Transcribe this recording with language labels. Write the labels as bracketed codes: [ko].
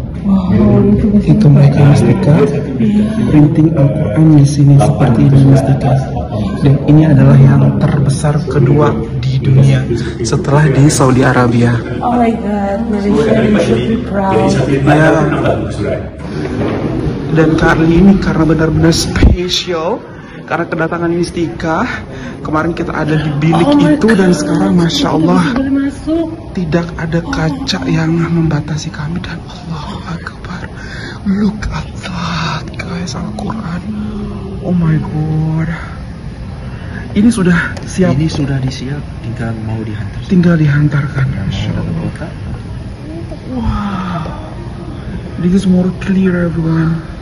[id] Wow, itu mereka Mistika printing Al-Quran di sini seperti ini Mistika, dan ini adalah yang terbesar kedua di dunia setelah di Saudi Arabia. [en] Oh my God, Malaysia, you should be proud. [id] Ya. Dan kali ini karena benar-benar spesial, karena kedatangan Mistika kemarin kita ada di bilik itu, dan sekarang Masya Allah tidak ada kaca yang membatasi kami, dan Allahu Akbar, [en] look at that guys, [id] Al-Quran, [en] oh my God. [id] Ini sudah siap, ini sudah disiap, tinggal mau dihantar, tinggal dihantarkan. [en] Wow, this is more clear everyone.